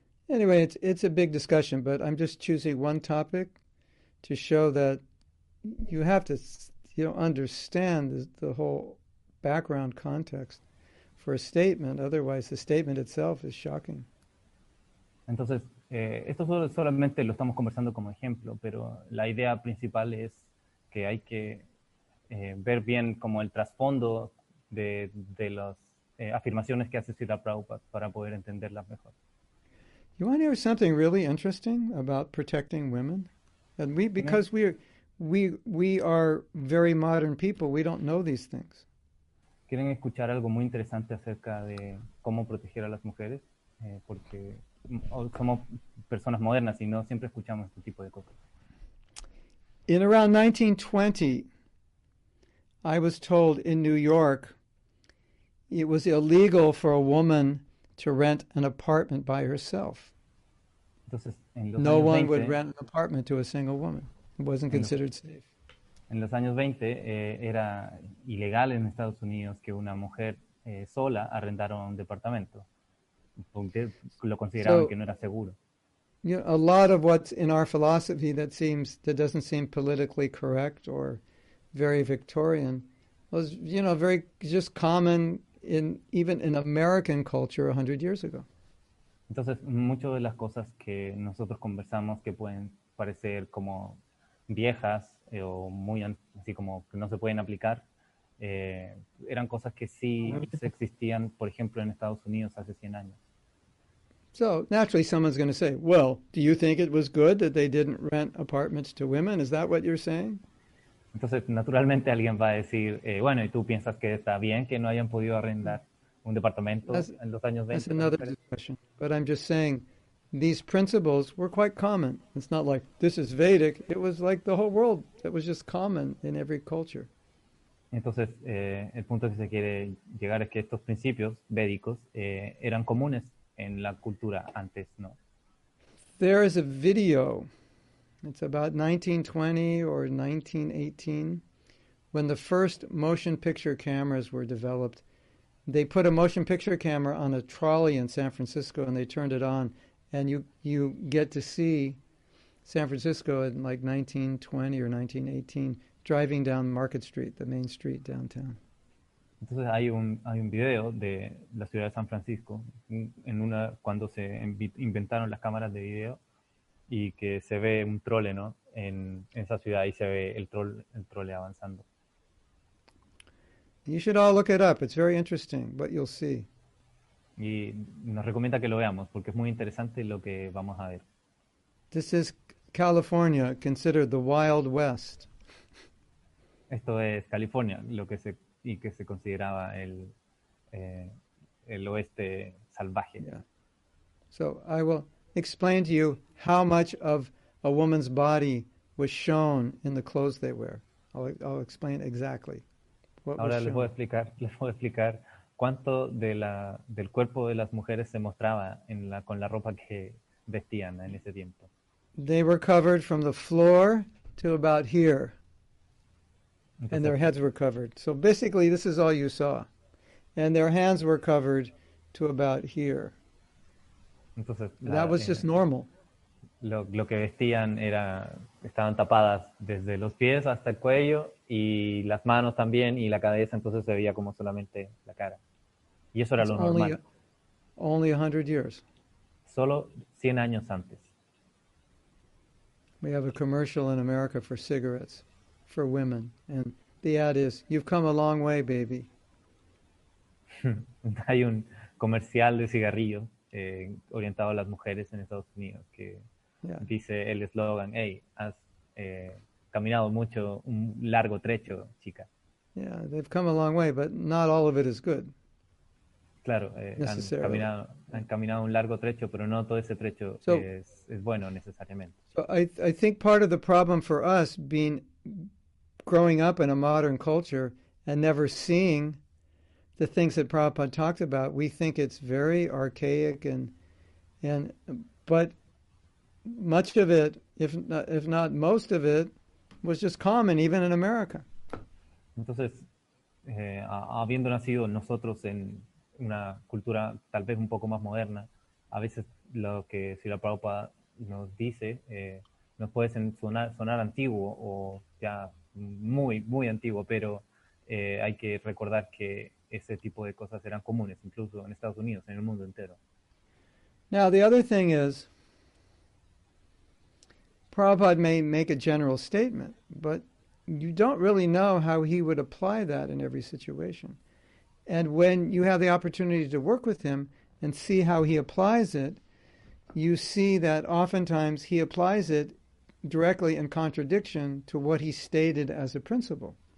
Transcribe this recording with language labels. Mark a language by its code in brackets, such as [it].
[en] Anyway, it's a big discussion, but I'm just choosing one topic to show that you have to, you know, understand the whole background context for a statement. Otherwise, the statement itself is shocking. [es] Entonces, esto solamente lo estamos conversando como ejemplo, pero la idea principal es que hay que ver bien como el trasfondo de los afirmaciones que hace Srila Prabhupada para poder entenderlas mejor. [en] You want to hear something really interesting about protecting women? And we are very modern people, we don't know these things. [es] ¿Quieren escuchar algo muy interesante acerca de cómo proteger a las mujeres? Porque somos personas modernas y no siempre escuchamos este tipo de cosas. [en] In around 1920, I was told in New York, it was illegal for a woman to rent an apartment by herself. [es] Entonces, [en] no one would rent an apartment to a single woman. It wasn't considered safe. [es] En los años 20 era ilegal en Estados Unidos que una mujer sola arrendara un departamento. Lo consideraban que no era seguro. [en] You know, a lot of what's in our philosophy that doesn't seem politically correct or very Victorian was, you know, very just common even in American culture 100 years ago. [es] Entonces, muchas de las cosas que nosotros conversamos que pueden parecer como viejas o muy así como que no se pueden aplicar, eran cosas que sí existían, por ejemplo, en Estados Unidos hace 100 años. [en] So, naturally, someone's going to say, well, do you think it was good that they didn't rent apartments to women? Is that what you're saying? [es] Entonces, naturalmente alguien va a decir, bueno, ¿y tú piensas que está bien que no hayan podido arrendar un departamento en los años 20? [en] That's another discussion. But I'm just saying, these principles were quite common. It's not like, this is Vedic. It was like the whole world. It was just common in every culture. [es] Entonces, el punto que se quiere llegar es que estos principios védicos eran comunes en la cultura antes, ¿no? [en] There is a video. It's about 1920 or 1918, when the first motion picture cameras were developed they put a motion picture camera on a trolley in San Francisco and they turned it on, and you get to see San Francisco in like 1920 or 1918 driving down Market Street, the main street downtown. [es] Entonces hay un video de la ciudad de San Francisco en una cuando se inventaron las cámaras de video y que se ve un trole, ¿no? En esa ciudad y se ve el trole avanzando. [en] You should all look it up. It's very interesting what you'll see. [es] Y nos recomienda que lo veamos porque es muy interesante lo que vamos a ver. [en] This is California, considered the Wild West. [es] Esto es California, lo que se y que se consideraba el oeste salvaje. [en] Yeah. So I will explain to you how much of a woman's body was shown in the clothes they wear. I'll explain exactly [es] what Ahora was les voy a explicar cuánto del cuerpo de las mujeres se mostraba con la ropa que vestían en ese tiempo. [en] They were covered from the floor to about here. And their heads were covered. So basically, this is all you saw. And their hands were covered to about here. [es] Entonces, [en] that was just normal. [es] Lo que vestían estaban tapadas desde los pies hasta el cuello, y las manos también, y la cabeza, entonces se veía como solamente la cara. Y eso era lo normal. [en] Only 100 years. [es] Solo 100 años antes. [en] We have a commercial in America for cigarettes. For women, and the ad is, "You've come a long way, baby." [es] Hay un comercial de cigarrillo orientado a las mujeres en Estados Unidos que dice el eslogan, "Hey, has caminado mucho, un largo trecho, chica." [en] Yeah, they've come a long way, but not all of it is good. [es] Claro, han caminado un largo trecho, pero no todo ese trecho es bueno necesariamente. [en] So I think part of the problem for us being growing up in a modern culture and never seeing the things that Prabhupada talked about, we think it's very archaic and but much of it, if not most of it, was just common even in America. [es] Entonces, habiendo nacido nosotros en una cultura tal vez un poco más moderna, a veces lo que Srila Prabhupada nos dice nos puede sonar antiguo o ya muy, muy antiguo, pero hay que recordar que ese tipo de cosas eran comunes, incluso en Estados Unidos, en el mundo entero. [en] Now, the other thing is, Prabhupada may make a general statement, but you don't really know how he would apply that in every situation. And when you have the opportunity to work with him and see how he applies it, you see that oftentimes he applies it directly in contradiction to what he stated as a principle.